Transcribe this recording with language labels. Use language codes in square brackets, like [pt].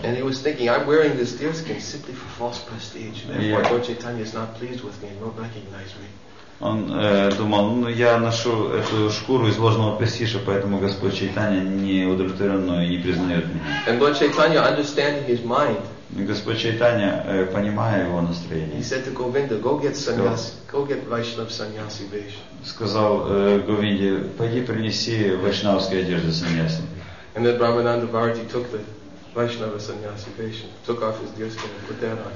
[en] And he was thinking, I'm wearing this deer skin simply for false prestige. Therefore, Lord Chaitanya is not pleased with me and won't recognize me. [ru] Он думал, ну я ношу эту шкуру из ложного престижа, поэтому Господь Чайтанья не удовлетворен мной и не признает меня. [en] And Lord Chaitanya, understanding his mind. [ru] Господь Чайтанья, понимая его настроение. [en] He said to Govinda, go get sannyas, go get Vaishnav sannyasi vesh. [ru] Сказал Говинде, пойди принеси вайшнавские одежды саньяси. [en] And then Brahmananda Bharati took the Vaishnava sannyasi vesh, took off his deer skin and put that on.